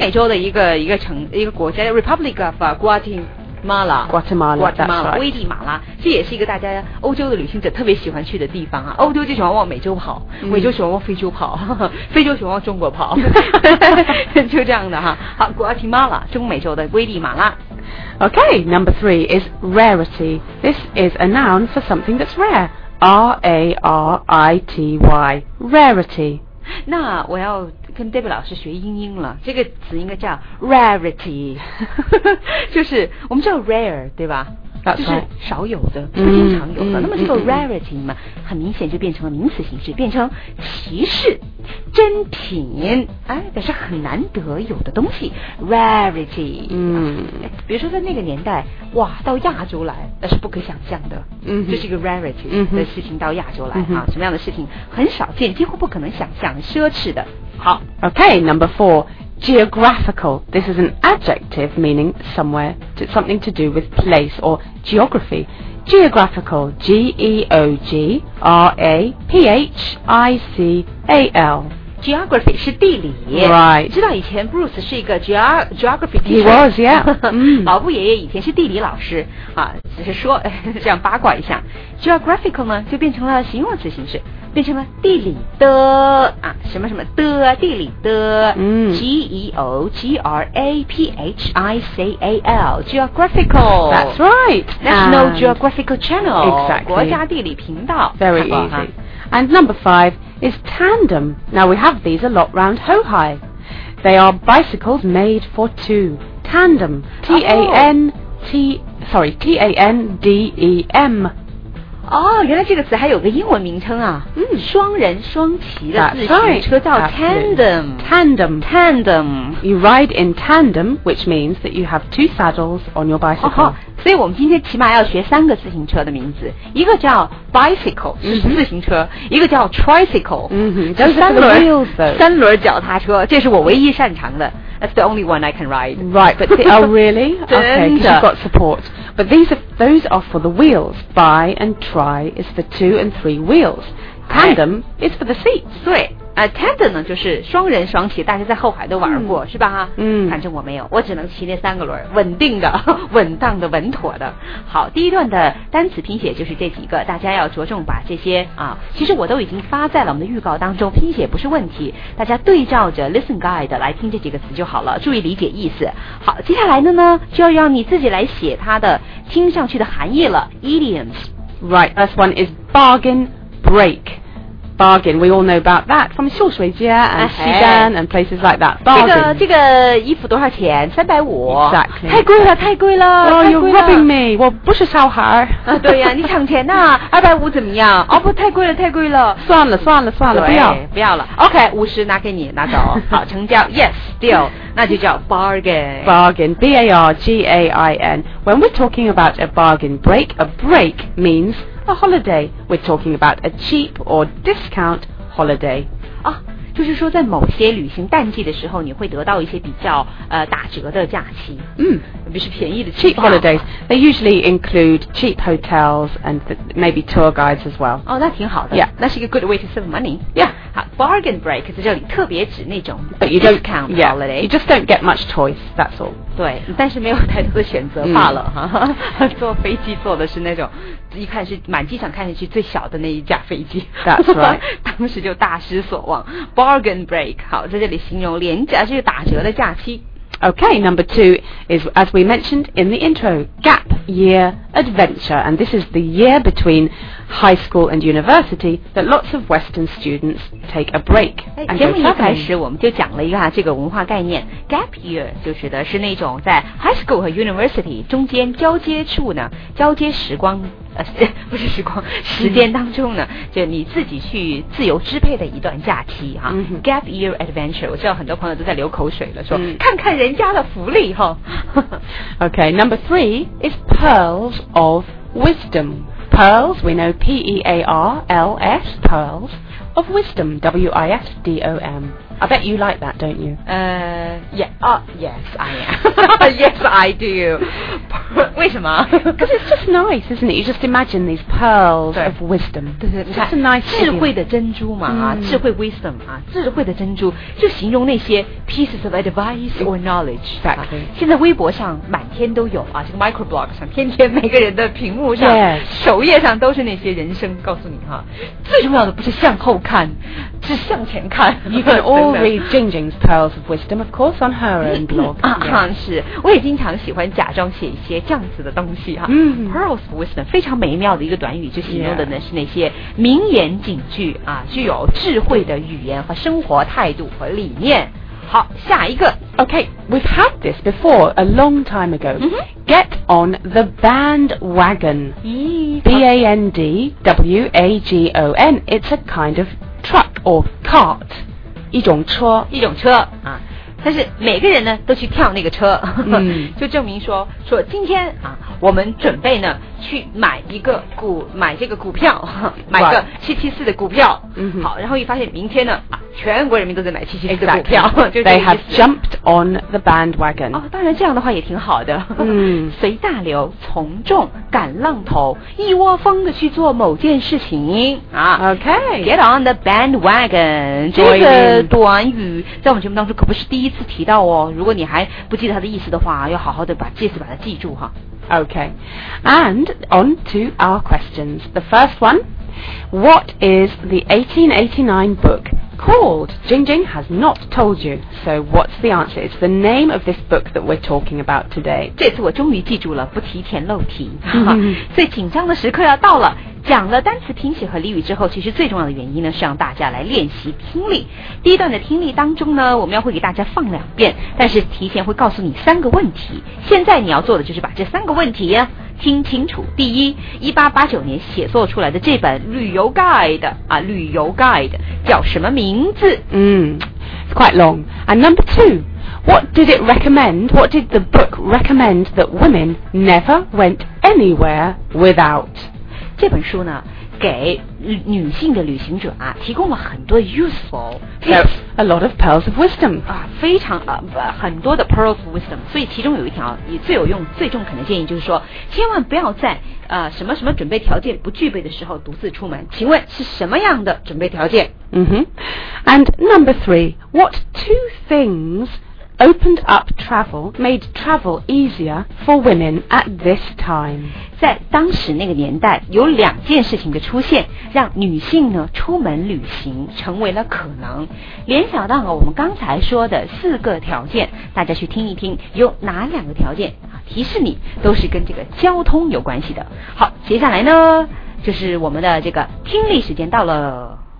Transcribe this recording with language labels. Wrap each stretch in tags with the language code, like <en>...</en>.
<zh>美洲的一个国家 Republic of Guatemala, 危地马拉，这也是一个大家欧洲的旅行者特别喜欢去的地方啊。欧洲就喜欢往美洲跑，美洲喜欢往非洲跑，非洲喜欢往中国跑，就这样的哈。好 ，Guatemala, 中美洲的危地马拉。</zh> <en>Okay, number three is rarity. This is a noun for something that's rare. R-A-R-I-T-Y, rarity.</en> <zh>那我要。跟 Debbie 老师学英音了，这个词应该叫 rarity， 就是我们叫 rare， 对吧？</zh> <en>Right.</en> <zh>就是少有的，不经常有的。那么这个 rarity 嘛，很明显就变成了名词形式，变成奇事、珍品，哎，但是很难得有的东西 rarity。比如说在那个年代，哇，到亚洲来那是不可想象的，这是一个 rarity 的事情到亚洲来啊，什么样的事情很少见，几乎不可能想象，奢侈的。好</zh> <en>Okay, number four, geographical. This is an adjective meaning somewhere, something to do with place or geography. Geographical, G-E-O-G-R-A-P-H-I-C-A-L.</en> <zh>Geography 是地理。</zh> <en>Right.</en> <zh>知道以前 Bruce 是一个</zh> <en>geography teacher. He was, yeah.</en> <zh>老布爷爷以前是地理老师。啊，只是说这样八卦一下。 Geographical 呢就变成了形容词形式。变成了地理的啊，什么什么的地理的，G E O G R A P H I C A L geographical.</zh> <en>That's right. National Geographical Channel. Exactly.</en> <zh>国家地理频道。</zh> <en>Very easy. And number five is tandem. Now we have these a lot round Hohai. They are bicycles made for two. Tandem. T A N T sorry T A N D E M.</en> <zh>哦，原来这个词还有个英文名称啊！双人双骑的自行车叫 tandem。</zh> <en>tandem。 tandem。 You ride in tandem, which means that you have two saddles on your bicycle.、</en> <zh>哦、所以我们今天起码要学三个自行车的名字，一个叫 bicycle 是自行车，一个叫 tricycle 叫三轮脚踏车，这是我唯一擅长的。</zh> <en>That's the only one I can ride. Right, but they are really? Okay, because you've got support. But those are for the wheels. Bi and tri is for two and three wheels. Tandem is for the seats.</en> <zh>对、tandem 呢就是双人双骑，大家在后海都玩过、是吧？反正我没有，我只能骑那三个轮，稳定的、稳当的、稳妥的。好，第一段的单词拼写就是这几个，大家要着重把这些啊，其实我都已经发在了我们的预告当中，拼写不是问题，大家对照着 listen guide 来听这几个词就好了，注意理解意思。好，接下来的呢，就要让你自己来写它的听上去的含义了 ，idioms。</zh> <en>Right, first one is bargain break。B bargain. We all know about that from 秀水街 and 西单 and places like that.</en> <zh>Bargain. 这个衣服多少钱？350。</zh> <en>Exactly.</en> <zh>太贵了，太贵了。</zh> <en>Oh, you're robbing me.</en> <zh>我不是小孩。对呀，你抢钱呐！250怎么样？哦不，太贵了，太贵了。算了，算了，算了，不要，不要了。OK， 50拿给你，拿走。好，成交。</zh> <en>Yes, deal.</en> <zh>那就叫 bargain.</zh> <en>Bargain. B-A-R-G-A-I-N. When we're talking about a bargain break, a break means a holiday. We're talking about a cheap or discount holiday.</en> <zh>啊，就是说在某些旅行淡季的时候，你会得到一些比较打折的假期。嗯，比如是便宜的</zh> <en>cheap holidays. They usually include cheap hotels and maybe tour guides as well.</en> <zh>哦，那挺好的。</zh> <en>Yeah.</en> <zh>那是一个</zh> <en>good way to save money. Yeah.</en> <zh>好 ，bargain break 在这里特别指那种 discount holiday.</zh> <en>You just don't get much choice. That's all.</en> <zh>对，但是没有太多的选择罢了哈。坐飞机坐的是那种，一看是满机场看上去最小的那一架飞机。</zh> <en>That's right.</en> <zh>当时就大失所望。Bargain break. 好，在这里形容廉价，就是打折的假期。</zh> <en>Okay, number two is, as we mentioned in the intro, gap year adventure. And this is the year between high school and university that lots of Western students take a break.</en> <zh>节目一开始我们就讲了一下这个文化概念 gap year 就指的是那种在 high school 和 university 中间交接处呢，交接时光不是时光，时间当中呢，就你自己去自由支配的一段假期哈、啊。 Gap year adventure， 我知道很多朋友都在流口水了，说看看人家的福利哈。</zh> <en>Okay, number three is pearls of wisdom. Pearls, we know P-E-A-R-L-S, pearls of wisdom, W-I-S-D-O-M. I bet you like that, don't you? Yes, I am. Yes, I do.</en> <zh>为什么？</zh> <en>Because it's just nice, isn't it? You just imagine these pearls of wisdom.</en> <zh>对对，就是 nice. 智慧的珍珠嘛，智慧 wisdom 啊，智慧的珍珠，就形容那些</zh> <en>pieces of advice or knowledge. Exactly.、</en> <zh>啊、现在微博上满天都有啊，这个 microblog 上天天每个人的屏幕上、</zh> <en>yes.</en> <zh>首页上都是那些人生告诉你哈、啊，最重要的不是向后看，是向前看。</zh> <en>You can all We'll read Jing Jing's Pearls of Wisdom, of course, on her own blog.</en> <zh>啊、yeah. 啊、是，我也经常喜欢假装写一些这样子的东西哈。 Pearls of Wisdom 非常美妙的一个短语，就形容的呢、yeah. 是那些名言警句啊，具有智慧的语言和生活态度和理念。好，下一个。</zh> <en>Okay, we've had this before a long time ago.、 Mm-hmm. Get on the bandwagon. B-A-N-D-W-A-G-O-N. It's a kind of truck or cart.</en> <zh>一种车，一种车啊！但是每个人呢都去跳那个车，就证明说今天啊，我们准备呢去买这个股票，买个774的股票。</zh> <en>Right.</en> <zh>好，然后一发现明天呢啊，全国人民都在买774的股票。</zh> <en>Exactly. They have jumped on the bandwagon.</en> <zh>哦，当然这样的话也挺好的。随大流，从众，赶浪头，一窝蜂的去做某件事情啊。</zh> <en>Okay. Get on the bandwagon.</en> <zh>这个短语在我们节目当中可不是第一次提到哦。如果你还不记得它的意思的话，要好好的把它记住哈。</zh> <en>Okay, and on to our questions. The first one, what is the 1889 book called? Jing Jing has not told you, so what's the answer? It's the name of this book that we're talking about today.</en> <zh>这次我终于记住了，不提前漏题。最紧张的时刻要到了。讲了单词拼写和俚语之后，其实最重要的原因呢是让大家来练习听力。第一段的听力当中呢，我们要会给大家放两遍，但是提前会告诉你三个问题。现在你要做的就是把这三个问题呀听清楚。第一，1889年写作出来的这本旅游 guide 啊，旅游 guide 叫什么名字？</zh> <en>It's quite long. And number two, what did it recommend? What did the book recommend that women never went anywhere without?</en> <zh>这本书呢，给女性的旅行者啊，提供了很多</zh> <en>useful tips, a lot of pearls of wisdom</en> <zh>啊，非常很多的 pearls of wisdom. 所以其中有一条，你最有用、最中肯的建议就是说，千万不要在什么什么准备条件不具备的时候独自出门。请问是什么样的准备条件？</zh> <en>And number three, what two things opened up travel, made travel easier for women at this time?</en> <zh>在当时那个年代，有两件事情的出现，让女性呢出门旅行成为了可能。联想到了我们刚才说的四个条件，大家去听一听，有哪两个条件提示你都是跟这个交通有关系的。好，接下来呢，就是我们的这个听力时间到了。</zh>